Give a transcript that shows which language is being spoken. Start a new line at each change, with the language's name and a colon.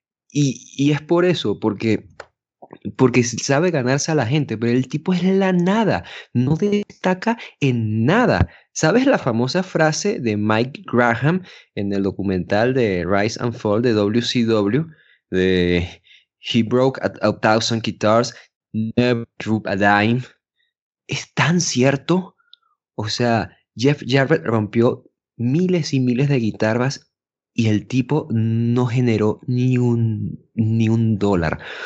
Spanish: Y es por eso, porque sabe ganarse a la gente, pero el tipo es la nada, no destaca en nada. ¿Sabes la famosa frase de Mike Graham en el documental de Rise and Fall de WCW?
English: De "He broke a thousand guitars, never drew a dime".
Spanish: ¿Es tan cierto? O sea, Jeff Jarrett rompió miles y miles de guitarras y el tipo no generó ni un dólar.